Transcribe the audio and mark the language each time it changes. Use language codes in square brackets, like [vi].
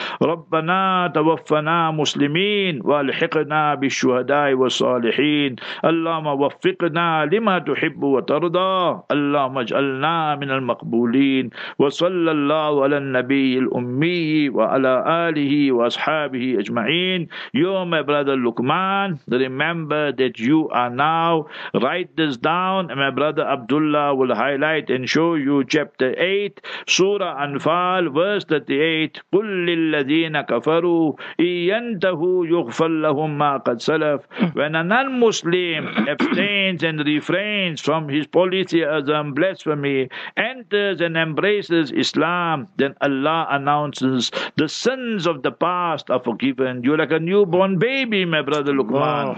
[ar] Rabbana tawaffana muslimin wa alhiqna bishuhada'i wa الصالحين اللهم وفقنا لما تحب وترضى اللهم اجعلنا من المقبولين وصلى الله على النبي الأمي وعلى آله وأصحابه أجمعين. [en] You, my brother Luqman, remember that you are now, write this down, and my brother Abdullah will highlight and show you chapter 8, Surah Anfal, verse 38. [ar] قل للذين كفروا إن ينتهوا يغفر لهم ما قد سلف. [en] When a non-Muslim abstains and refrains from his polytheism, blasphemy, enters and embraces Islam, then Allah announces, the sins of the past are forgiven. You're like a newborn baby, my brother Luqman.